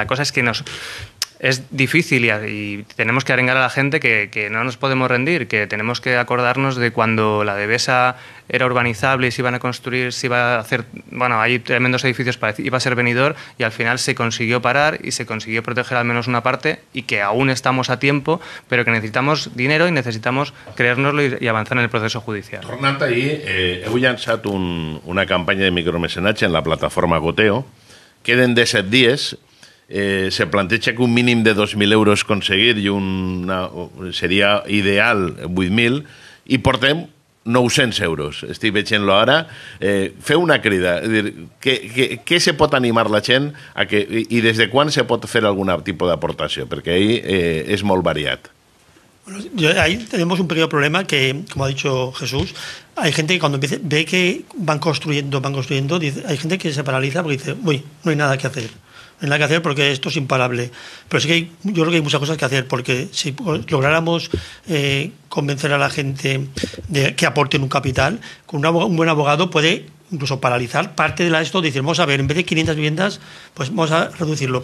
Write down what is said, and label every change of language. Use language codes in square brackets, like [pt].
[es] La cosa es que es difícil y tenemos que arengar a la gente que no nos podemos rendir, que tenemos que acordarnos de cuando la Devesa era urbanizable y se iban a construir, se iba a hacer, bueno, hay tremendos edificios, para iba a ser Benidorm, y al final se consiguió parar y se consiguió proteger al menos una parte, y que aún estamos a tiempo, pero que necesitamos dinero y necesitamos creérnoslo y avanzar en el proceso judicial. [ca] Tornant ahí, heu llançat una campanya de micromecenatge en la plataforma Goteo, queden de 7 dies. Se planteja que un mínim de 2.000 euros aconseguir i seria ideal 8.000, i portem 900 euros. Estic veient-lo ara. Feu una crida. Què se pot animar la gent i des de quan se pot fer algun tipus d'aportació? Perquè ahí és molt variat. [es] Bueno, ahí tenemos un pequeño problema que, como ha dicho Jesús, hay gente que cuando ve que van construyendo, hay gente que se paraliza porque dice, uy, no hay nada que hacer. No hay nada que hacer porque esto es imparable. Pero sí que yo creo que hay muchas cosas que hacer, porque si lográramos convencer a la gente de que aporten un capital, con un buen abogado puede incluso paralizar parte de esto, decir, vamos a ver, en vez de 500 viviendas, pues vamos a reducirlo.